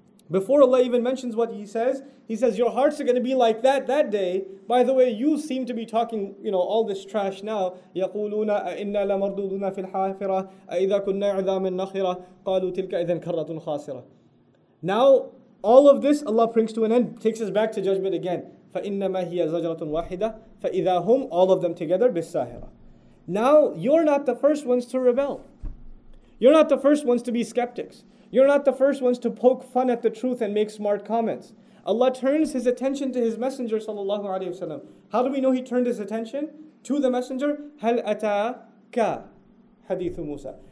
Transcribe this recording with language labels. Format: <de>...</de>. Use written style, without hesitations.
<en>Before Allah even mentions what He says, your hearts are going to be like that day. By the way, you seem to be talking, you know, all this trash now.</en> <ar>يَقُولُونَ أَإِنَّا لَمَرْدُودُونَ فِي الْحَافِرَةِ أَإِذَا كُنَّا عِذَامٍ نَخِرَةٍ قَالُوا تِلْكَ إِذَنْ كَرَّةٌ خَاسِرَةٌ.</ar> <en>Now, all of this, Allah brings to an end, takes us back to judgment again.</en> <ar>فَإِنَّمَا هِيَ زَجْرَةٌ وَاحِدَةٌ فَإِذَا هُمْ,</ar> <en>all of them together,</en> <ar>بِالسَّاهِرَةِ.</ar> <en>Now, you're not the first ones to rebel. You're not the first ones to be skeptics. You're not the first ones to poke fun at the truth and make smart comments. Allah turns His attention to His Messenger, sallallahu alayhi wa sallam. How do we know He turned His attention to the Messenger?</en> <ar>هَلْ أَتَاكَ حَدِيثُ مُوسَى.</ar>